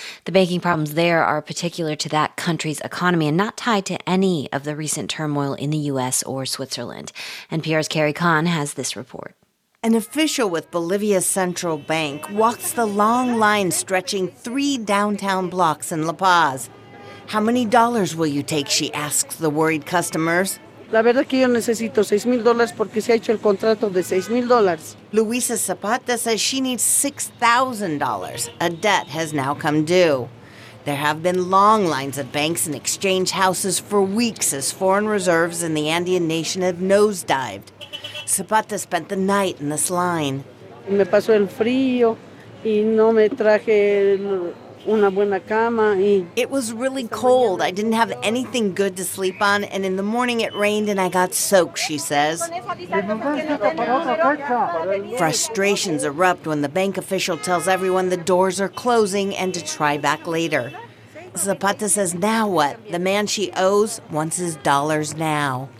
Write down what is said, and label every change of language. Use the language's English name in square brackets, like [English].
[English] The banking problems there are particular to that country's economy and not tied to any of the recent turmoil in the U.S. or Switzerland. NPR's Carrie Kahn has this report. An official with Bolivia's central bank walks the long line stretching three downtown blocks in La Paz. How many dollars will you take, she asks the worried customers. [Spanish] La verdad que yo necesito $6,000 porque se ha hecho el contrato de $6,000. [English] Luisa Zapata says she needs $6,000. A debt has now come due. There have been long lines at banks and exchange houses for weeks as foreign reserves in the Andean nation have nosedived. Zapata spent the night in this line. [Spanish] Me pasó el frío y no me traje una buena cama. [English] It was really cold. I didn't have anything good to sleep on, and in the morning it rained and I got soaked, she says. Frustrations erupt when the bank official tells everyone the doors are closing and to try back later. Zapata says, now what? The man she owes wants his dollars now.